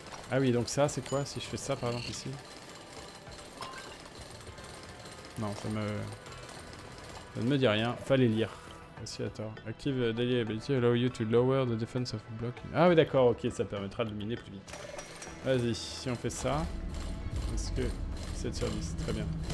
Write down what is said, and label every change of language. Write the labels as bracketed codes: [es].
[fr] Ah oui, donc ça, c'est quoi si je fais ça par exemple ici? Non, ça ne me dit rien, fallait lire. [en] Oscillator. Active daily ability allow you to lower the defense of a block. [fr] Ah oui, d'accord, ok, ça permettra de miner plus vite. Vas-y, si on fait ça, est-ce que 7 sur 10, très bien.